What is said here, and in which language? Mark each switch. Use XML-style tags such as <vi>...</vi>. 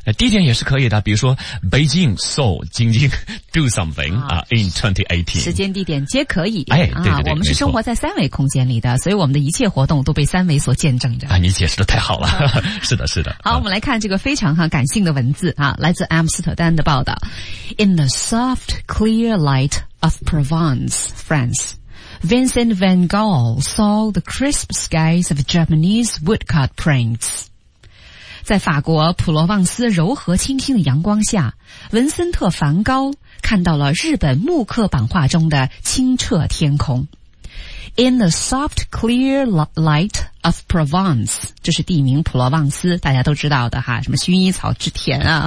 <zh>地点也是可以的，比如说 Beijing saw 晶晶</zh> <en>do something</en> <zh>啊</zh> <en>in 2018，</en> <zh>时间地点皆可以。哎，对对对，我们是生活在三维空间里的，所以我们的一切活动都被三维所见证着啊。你解释的太好了，是的，是的。好，我们来看这个非常感性的文字啊，来自阿姆斯特丹的报道。</zh> <en>In the soft, clear light of Provence, France, Vincent van Gogh saw the crisp skies of Japanese woodcut prints.</en> <zh>在法国普罗旺斯柔和清新的阳光下，文森特·梵高看到了日本木刻版画中的清澈天空。</zh> <en>In the soft, clear light of Provence，</en> <zh>这是地名普罗旺斯，大家都知道的哈，什么薰衣草之田啊。</zh>